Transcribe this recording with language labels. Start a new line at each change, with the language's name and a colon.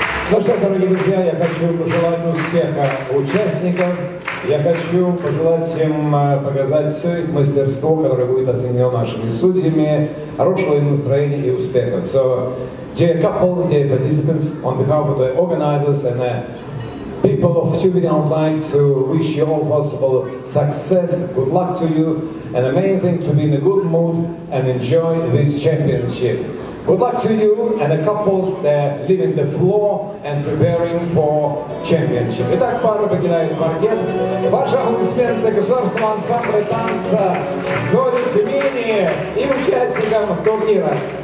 Russian: Ну что, дорогие друзья, я хочу пожелать успеха участникам. Я хочу пожелать им показать все их мастерство, которое будет оценено нашими судьями, хорошего им настроения и успеха.
English: So, dear couples, dear participants, on behalf of the organizers and the people of Tubing, I would like to wish you all possible success, good luck to you, and the main thing to be in a good mood and enjoy this championship. Good luck to you and the couples that are leaving the floor and preparing for championship.
Russian: Итак, пара покидает паркет. Ваши аплодисменты государственному ансамблю танца «Зори Тюмени» и участникам турнира.